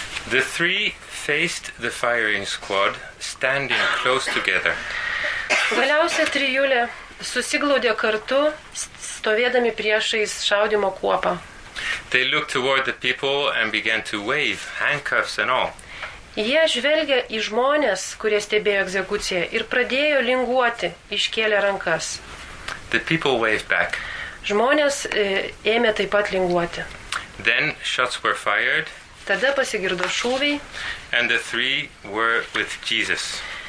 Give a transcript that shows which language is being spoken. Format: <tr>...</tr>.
<en>The three faced the firing squad, standing close together.</en> <lt>Galiausia trijulė susiglaudė kartu, stovėdami priešais šaudimo kuopą.</lt> <en>They looked toward the people and began to wave, handcuffs and all.</en> <lt>Jie žvelgė į žmonės, kurie stebėjo egzekuciją, ir pradėjo linguoti, iškėlė rankas.</lt> <en>The people waved back.</en> <lt>Žmonės ėmė taip pat linguoti.</lt> <en>Then shots were fired.</en> <lt>Tada pasigirdo šūviai.</lt> <en>And the three were with Jesus.</en>